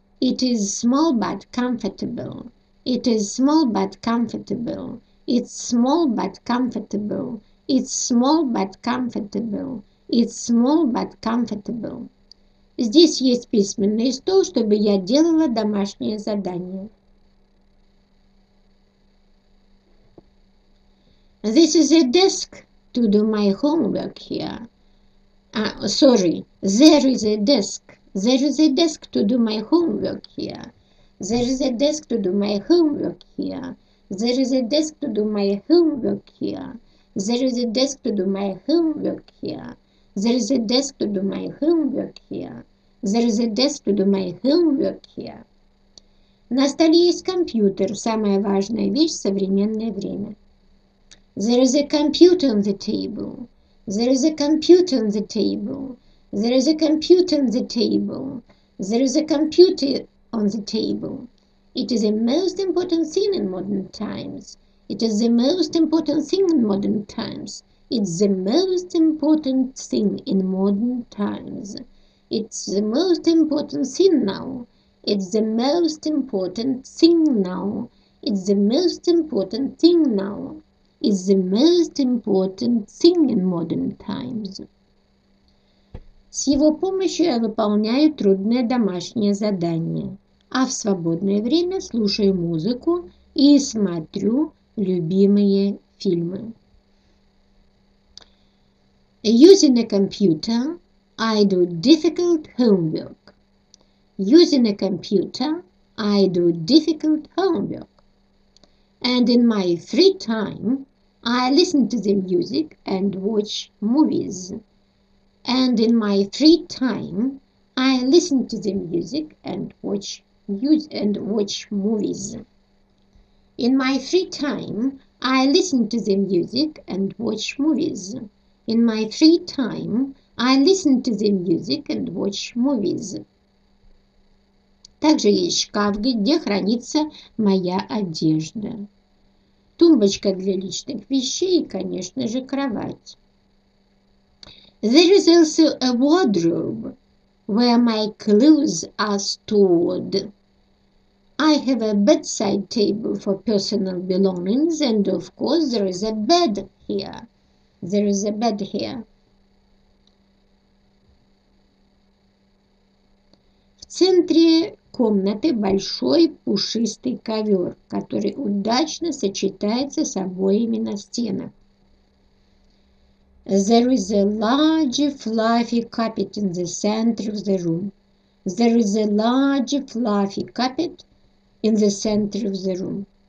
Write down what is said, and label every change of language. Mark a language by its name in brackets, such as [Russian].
[English] It is small but comfortable. It is small but comfortable. It's small but comfortable. It's small but comfortable. It's small but comfortable. [Russian] Здесь есть письменный стол, чтобы я делала домашнее задание. [English] This is a desk to do my homework here. There is a desk. There is a desk to do my homework here. There is a desk to do my homework here. There is a desk to do my homework here. There is a desk to do my homework here. There is a desk to do my homework here. There is a desk to do my homework here. [Russian] На столе есть компьютер, самая важная вещь в современное время. [English] There is a computer on the table. There is a computer on the table. There is a computer on the table. There is a computer on the table. It is the most important thing in modern times. It is the most important thing in modern times. It's the most important thing in modern times. It's the most important thing now. It's the most important thing now. It's the most important thing now. It's the most important thing in modern times. [Russian] С его помощью я выполняю трудное домашнее задание, а в свободное время слушаю музыку и смотрю любимые фильмы. [English] Using a computer, I do difficult homework. Using a computer, I do difficult homework. And in my free time, I listen to the music and watch movies. And in my free time, I listen to the music and watch movies. In my free time, I listen to the music and watch movies. In my free time, I listen to the music and watch movies. [Russian] Также есть шкаф, где хранится моя одежда. Тумбочка для личных вещей и, конечно же, кровать. [English] There is also a wardrobe where my clothes are stored. I have a bedside table for personal belongings, and of course there is a bed here. There is a bed here. [Russian] В центре комнаты большой пушистый ковер, который удачно сочетается с обоями на стенах. [English] There is a large fluffy carpet in the center of the room. There is a large fluffy carpet in the center of the room.